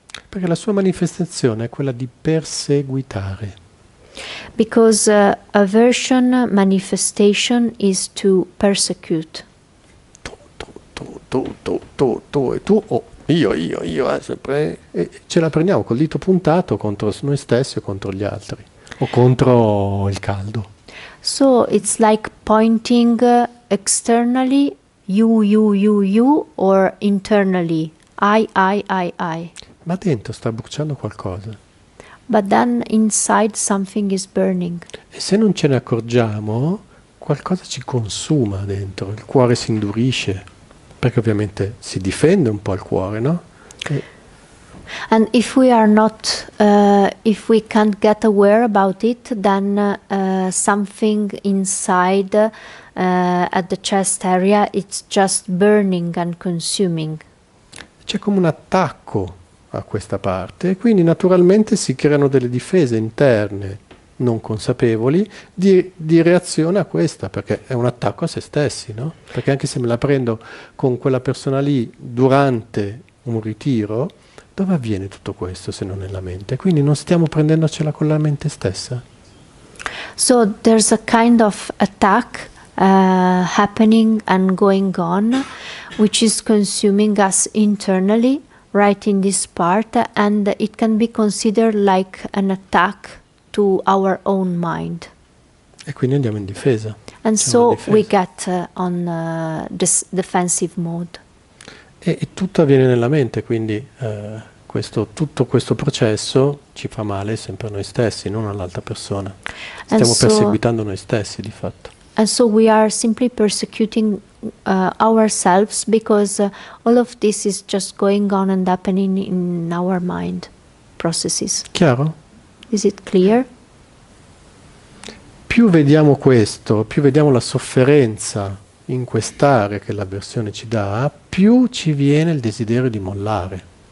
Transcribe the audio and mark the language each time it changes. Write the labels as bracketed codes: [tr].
[it] Perché la sua manifestazione è quella di perseguitare. [en] Because aversion manifestation is to persecute. [it] Tu e tu, oh, io, sempre. E ce la prendiamo col dito puntato contro noi stessi o contro gli altri, o contro il caldo. [en] So it's like pointing externally, you, or internally, I. [it] Ma dentro sta bruciando qualcosa. [en] But then inside something is burning. [it] E se non ce ne accorgiamo, qualcosa ci consuma dentro, il cuore si indurisce, perché ovviamente si difende un po' il cuore, no? E [en] and if we are not, if we can't get aware about it, then something inside at the chest area, it's just burning and consuming. [it] C'è come un attacco a questa parte, quindi naturalmente si creano delle difese interne, non consapevoli, di reazione a questa, perché è un attacco a se stessi, no? Perché anche se me la prendo con quella persona lì durante un ritiro, dove avviene tutto questo se non nella mente? Quindi non stiamo prendendocela con la mente stessa? [en] So there's a kind of attack happening and going on, which is consuming us internally, right in this part, and it can be considered like an attack to our own mind. [it] E quindi andiamo in difesa. [en] And so we get on this defensive mode. [it] E tutto avviene nella mente, quindi tutto questo processo ci fa male sempre a noi stessi, non all'altra persona. Stiamo perseguitando noi stessi, di fatto. [en] And so we are simply persecuting ourselves because all of this is just going on and happening in our mind processes. [it] Chiaro? [en] Is it clear? [it] Più vediamo questo, più vediamo la sofferenza in quest'area che l'avversione ci dà, più ci viene il desiderio di mollare.